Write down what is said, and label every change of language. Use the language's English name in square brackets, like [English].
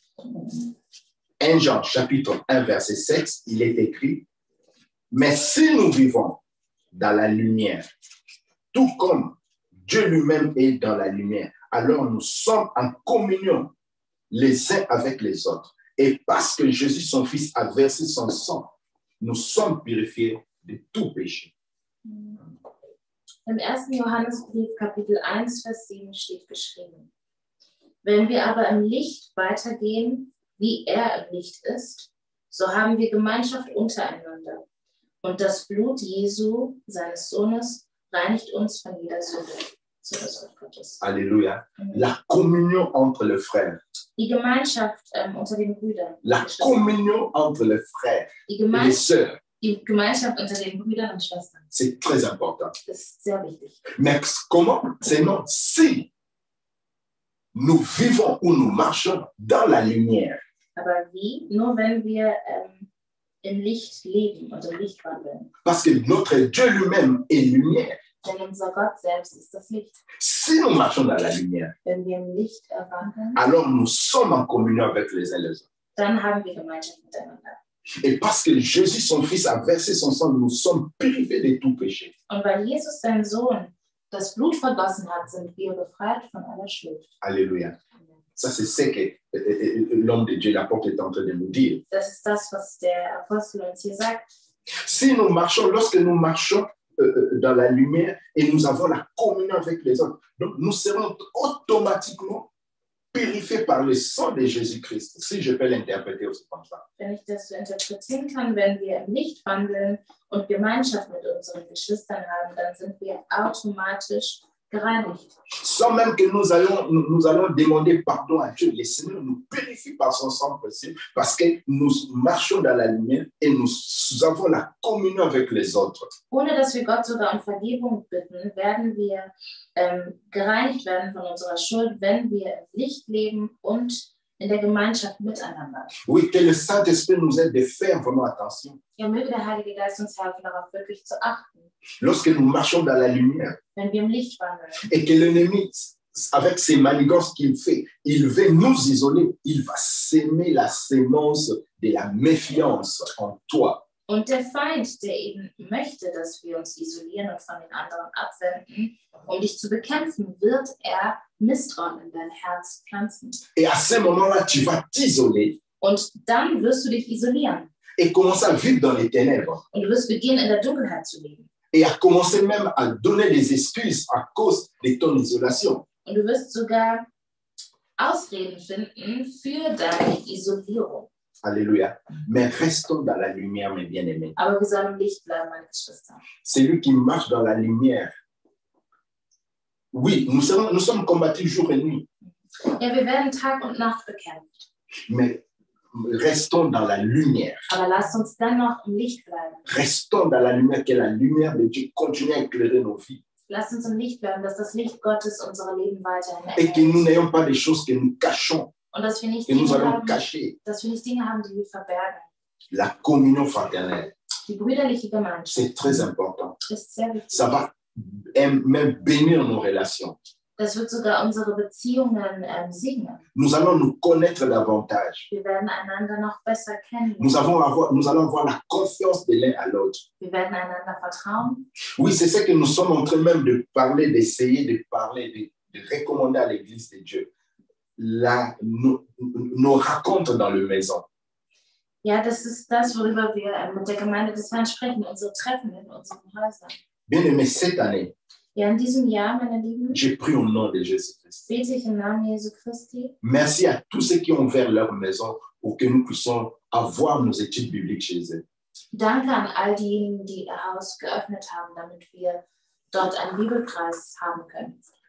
[French] 1 Jean chapitre 1 verset 7, il est écrit: Mais si nous vivons dans la lumière, tout comme Dieu lui-même est dans la lumière, alors nous sommes en communion les uns avec les autres. Et parce que Jésus, son Fils, a versé son sang, nous sommes purifiés de tout péché. [German] Im 1. Johannesbrief, Kapitel 1, Vers 7, steht geschrieben: Wenn wir aber im Licht weitergehen, wie er im Licht ist, so haben wir Gemeinschaft untereinander. Und das Blut Jesu, seines Sohnes, reinigt uns von jeder Sünde. [French] Alléluia. La communion entre les frères. [German] Die Gemeinschaft unter den Brüdern. [French] La communion entre les frères. [German] Die Gemeinschaft. Die Gemeinschaft unter den Brüdern und Schwestern. [French] C'est très important. C'est [German] sehr wichtig. [French] Mais comment? Sinon, si nous vivons ou nous marchons dans la lumière. [German] Aber wie? Nur wenn wir im Licht leben und im Licht wandeln. [French] Parce que notre Dieu lui-même est lumière. [German] Denn unser Gott selbst ist das Licht. [French] Si nous marchons dans la lumière, [German] wenn wir im Licht wandeln, [French] alors nous sommes en communion avec les uns les autres. [German] Dann haben wir Gemeinschaft miteinander. [French] Et parce que Jésus, son Fils, a versé son sang, nous sommes privés de tout péché. [German] Und weil Jesus, sein Sohn, das Blut vergossen hat, sind wir befreit von aller Schuld. [French] Alléluia. Ça, c'est ce que l'homme de Dieu, l'apôtre, est en train de nous dire. [German] Das ist das, was der Apostel uns hier sagt. [French] Si nous marchons, lorsque nous marchons dans la lumière et nous avons la communion avec les hommes, donc nous serons automatiquement purifié par le sang de Jésus-Christ, si je peux l'interpréter aussi comme ça. [German] Wenn ich das so interpretieren kann, wenn wir im Licht wandeln und Gemeinschaft mit unseren Geschwistern haben, dann sind wir automatisch gereinigt. [French] Sans même que nous allons demander pardon à Dieu, le Seigneur nous purifie par son sang précieux, parce que nous marchons dans la lumière et nous avons la communion avec les autres. [German] Ohne dass wir Gott sogar um Vergebung bitten, werden wir gereinigt werden von unserer Schuld, wenn wir im Licht leben und in der Gemeinschaft miteinander. [French] Oui, que le Saint-Esprit nous aide de faire vraiment attention. [German] Ja, möge der Heilige Geist uns helfen, darauf wirklich zu achten. [French] Lorsque nous marchons dans la lumière, [German] wenn wir im Licht wandeln, [French] et que l'ennemi, avec ses manigances qu'il fait, il veut nous isoler, il va semer la semence de la méfiance en toi. [German] Und der Feind, der eben möchte, dass wir uns isolieren und von den anderen abwenden, um dich zu bekämpfen, wird er Misstrauen in dein Herz pflanzen. [French] Et à ce moment-là, tu vas t'isoler. [German] Und dann wirst du dich isolieren. [French] Et commencer à vivre dans les ténèbres. [German] Und du wirst beginnen, in der Dunkelheit zu leben. [French] Et à commencer même à donner des excuses à cause de ton isolation. [German] Und du wirst sogar Ausreden finden für deine Isolierung. [French] Alléluia. Mais restons dans la lumière, mes bien-aimés. [German] Aber wir sollen im Licht bleiben, meine Geschwister. [French] Celui qui marche dans la lumière. Oui, nous sommes combattus jour et nuit. [German] Ja, wir werden Tag und Nacht bekämpft. [French] Mais restons dans la lumière. [German] Aber lass uns dennoch im Licht bleiben. [French] Restons dans la lumière, que la lumière de Dieu continue à éclairer nos vies. [German] Lass uns im Licht bleiben, dass das Licht Gottes unsere Leben weiterhin erhält. [French] Et que nous n'ayons pas des choses que nous cachons. [German] Und dass wir nicht Dinge haben, die wir verbergen. [French] La communion fraternelle. [German] Die brüderliche Gemeinschaft. [French] C'est très important. [German] Ist sehr wichtig. [French] Ça va même bénir nos relations. [German] Das wird sogar unsere Beziehungen segnen. [French] Nous allons nous connaître davantage. [German] Wir werden einander noch besser kennen. [French] Nous allons avoir la confiance de l'un à l'autre. [German] Wir werden einander vertrauen. [French] Oui, c'est ce que nous sommes en train même de parler, d'essayer de parler, de recommander à l'Église de Dieu. Nos racontes dans le maison. [German] Ja, das ist das, worüber wir mit der Gemeinde des Herrn sprechen, unsere Treffen in unseren Häusern. [French] Bien aimé, cette année, [German] ja, in diesem Jahr, meine Lieben, [French] j'ai pris au nom de Jésus Christ. [German] Bete ich im Namen Jesu Christi. [French] Merci à tous ceux qui ont ouvert leur maison pour que nous puissions avoir nos études bibliques chez eux. [German] Danke an all diejenigen, die ihr Haus geöffnet haben, damit wir dort einen Bibelkreis haben können.